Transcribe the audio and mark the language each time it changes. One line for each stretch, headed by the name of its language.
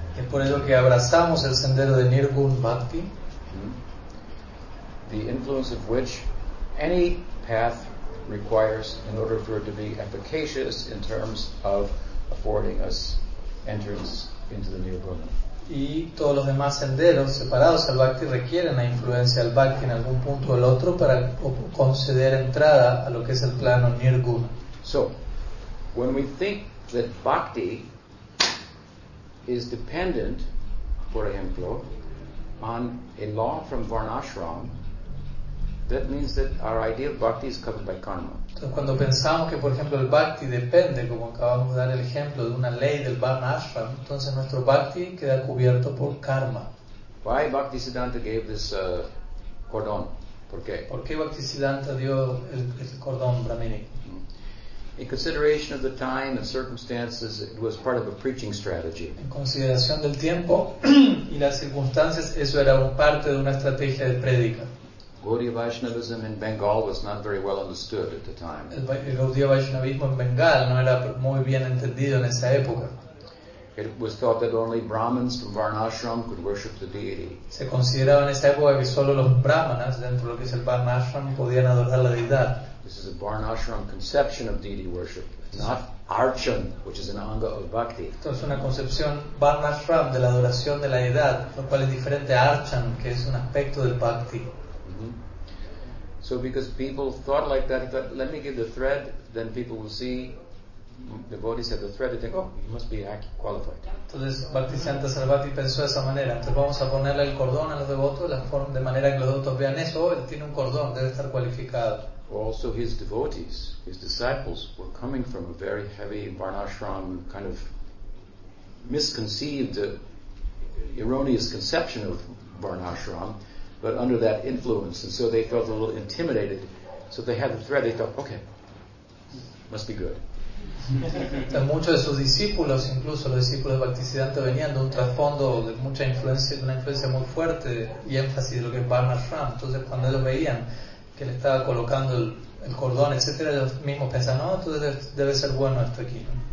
Spanish: Es por ello que abrazamos el sendero de Nirgun Bhakti.
English: The influence of which any path requires in order for it to be efficacious in terms of affording us entrance into the Nirgun.
Spanish: Y todos los demás senderos separados al Bhakti requieren la influencia del Bhakti en algún punto o el otro para conceder entrada a lo que es el plano Nirgun.
English: So, when we think that Bhakti is dependent,
Spanish: por ejemplo,
English: on a law from Varnashram, that means that our idea of Bhakti is covered by karma.
Spanish: Entonces, cuando pensamos que, por ejemplo, el Bhakti depende, como acabamos de dar el ejemplo, de una ley del Varnashram, entonces nuestro Bhakti queda cubierto por karma.
English: Why Bhakti Siddhanta gave this cordón?
Spanish: ¿Por qué? ¿Por qué Bhakti Siddhanta dio el cordón brahmínico?
English: In consideration of the time and circumstances, it was part of a preaching strategy.
Spanish: En consideración del tiempo y las circunstancias, eso era parte de una estrategia de prédica.
English: Gaudiya Vaishnavism in Bengal was not very well understood at the time.
Spanish: El Gaudiya Vaishnavismo en Bengal no era muy bien entendido en esa época.
English: It was thought that only Brahmins from Varnashram could worship the deity.
Spanish: Se consideraba en esa época que solo los brahmanas dentro de lo que es el Varnashram podían adorar la deidad.
English: This is a Varnashram conception of deity worship, not Archan, which is an anga of Bhakti.
Spanish: Esto es una concepción Varnashram de la adoración de la deidad, lo cual es diferente a Archan, que es un aspecto del Bhakti.
English: So because people thought like that, thought, let me give the thread, then people will see the devotees have the thread and think, oh, you must be qualified.
Spanish: Entonces Bhakti Siddhanta Sarvati pensó de esa manera. Entonces vamos a ponerle el cordón a los devotos de manera que los devotos vean eso. Él tiene un cordón, debe estar cualificado.
English: Also his devotees, his disciples, were coming from a very heavy Varnashram kind of misconceived, erroneous conception of Varnashram, but under that influence, and so they felt a little intimidated. So they had the thread, they thought, okay, must be good.
Spanish: Muchos de sus discípulos, incluso los discípulos de Bhaktisiddhanta, venían de un trasfondo de mucha influencia, de una influencia muy fuerte y énfasis de lo que es Varnashram. Entonces cuando ellos veían que le estaba colocando el cordón, etc., ellos mismos pensaban, no, entonces debe ser bueno esto aquí.